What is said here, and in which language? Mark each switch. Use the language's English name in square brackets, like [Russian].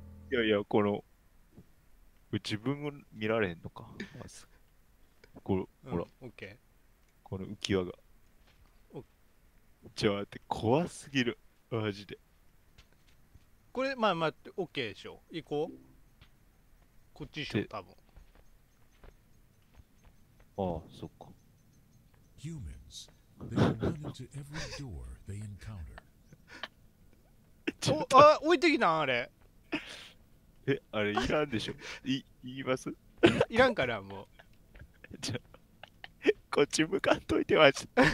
[Japanese] いやいや、この自分を見られへんのか、まずこれ、ほら、うん、オッケー、この浮き輪が。ちょ、待って、怖すぎるマジで。これまあまあ、オッケーでしょ。行こう、こっちでしょ多分。ああ、そっか。 [English] Humans, they run into every door they encounter. [Japanese] ちょっと、あ、置いてきたん、あれ。え、あれ、いらんでしょ。言います？いらんから、もう。じゃ、こっち向かんといてまじ。